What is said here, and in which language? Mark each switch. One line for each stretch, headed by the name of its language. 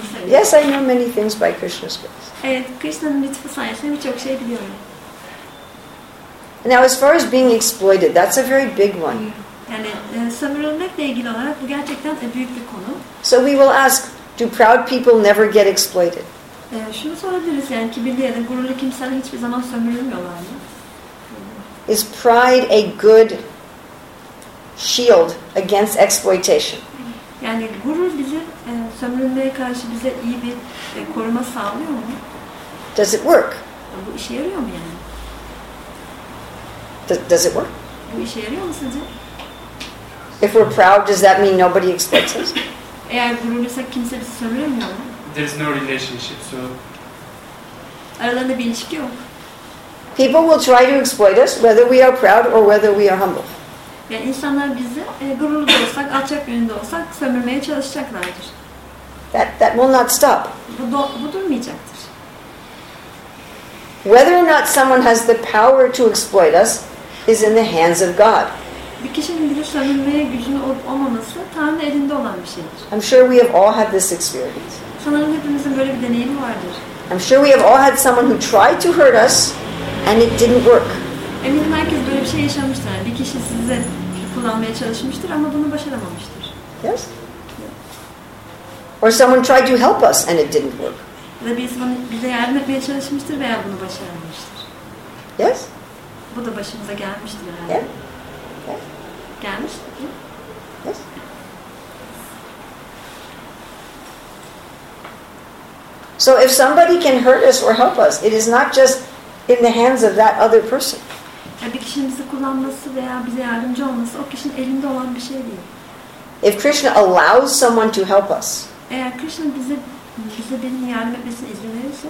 English: Yes, I know many things by Krishna's grace.
Turkish: Evet, Krishna'nın lütfu sayesinde birçok şey biliyorum.
English: Now, as far as being exploited, that's a very big one.
Turkish: Yani sömürülmekle ilgili olarak bu gerçekten büyük bir konu.
English: So we will ask, do proud people never get exploited?
Turkish: Şunu sorabiliriz yani kibirli ya da gururlu kimseler hiçbir zaman sömürülmüyorlar mı?
English: Is pride a good shield against exploitation?
Turkish: Yani gurur bize sömürülmeye karşı bize iyi bir koruma sağlıyor mu?
English: Does it work?
Turkish: Bu işe yarıyor mu yani?
English: Does it work?
Turkish: Bu işe yarıyor mu sizce?
English: If we're proud, does that mean nobody expects us?
Turkish: Eğer gururluysak kimse bizi sömüremiyor mu?
English: There's no relationship, so...
Turkish: Aralarında bir ilişki yok.
English: People will try to exploit us, whether we are proud or whether we are humble.
Turkish: Yani insanlar bizi gururlu da olsak, alçak gönüllü olsak sömürmeye çalışacaklardır.
English: That will not stop.
Turkish: Bu durmayacaktır.
English: Whether or not someone has the power to exploit us is in the hands of God.
Turkish: Bir kişinin bile sömürmeye gücünü olmaması Tanrı'nın elinde olan bir şeydir.
English: I'm sure we have all had this experience.
Turkish: Sanırım hepimizin böyle bir deneyimi vardır.
English: I'm sure we have all had someone who tried to hurt us and it didn't work.
Turkish: Eminim herkes böyle bir şey yaşamıştır. Bir kişi size kullanmaya çalışmıştır ama bunu başaramamıştır.
English: Yes? Or someone tried to help us and it didn't work.
Turkish: Ya bir insan bize yardım etmeye çalışmıştır veya bunu başaramamıştır.
English: Yes?
Turkish: Bu da başımıza gelmiştir herhalde. Gelmiş.
English: Yes? So if somebody can hurt us or help us, it is not just in the hands of that other person.
Turkish: Bir kişinin bizi kullanması veya bize yardımcı olması o kişinin elinde olan bir şey değil.
English: If Krishna allows someone to help us,
Turkish: eğer Krishna bize birinin yardım etmesine izin verirse,